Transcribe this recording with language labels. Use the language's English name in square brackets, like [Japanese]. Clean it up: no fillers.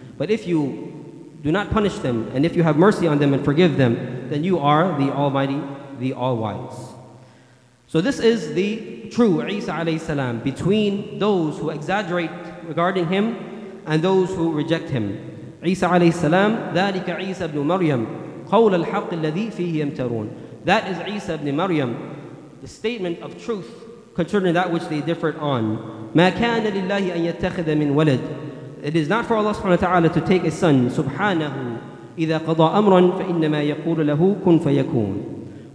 [English] But if you do not punish them, and if you have mercy on them and forgive them, then you are the Almighty, the All-Wise. So this is the true Isa alayhi salam between those who exaggerate regarding him and those who reject him. [Arabic] Isa alayhi salam, ذَلِكَ عِيسَى ابْنُ مَرْيَمْ قَوْلَ الْحَقِّ الَّذِي فِيهِ يَمْتَرُونَ. [English] That is Isa ibn Maryam, the statement of truth concerning that which they differed on. [Arabic] مَا كَانَ لِلَّهِ أَن يَتَّخِذَ مِنْ وَلَدٍ. [English] It is not for Allah subhanahu wa ta'ala to take a son. [Arabic] سُبْحَانَهُ إِذَا قَضَى أَمْرًا فَإِنَّمَا يَقُولُ لَهُ كُنْ فَيَكُونَ.